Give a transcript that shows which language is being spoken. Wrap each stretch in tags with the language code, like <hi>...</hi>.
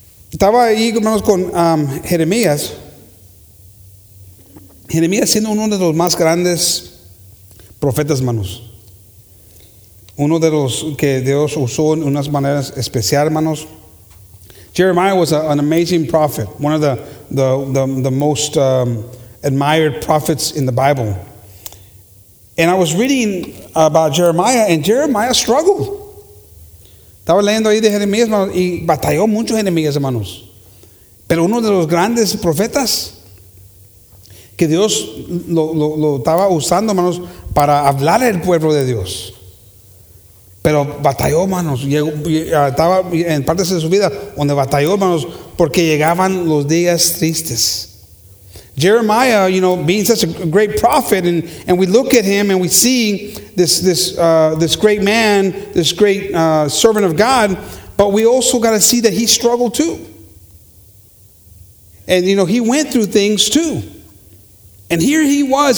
<es>Estaba ahí, hermanos, con Jeremías. Jeremías siendo uno de los más grandes profetas, hermanos. Uno de los que Dios usó en unas maneras especiales, hermanos.</es> <en>Jeremiah was an amazing prophet, one of the most admired prophets in the Bible. And I was reading about Jeremiah, and Jeremiah struggled.</en> <es>Estaba leyendo ahí de Jeremías, hermanos, y batalló mucho Jeremías, hermanos. Pero uno de los grandes profetas que Dios lo estaba usando, hermanos, para hablar al pueblo de Dios. Pero batalló, hermanos. Estaba en partes de su vida donde batalló, hermanos, porque llegaban los días tristes.</es> <en>Jeremiah, you know, being such a great prophet, and we look at him and we see this great man, this great servant of God, but we also got to see that he struggled too. And, you know, he went through things too. And here he was.</en>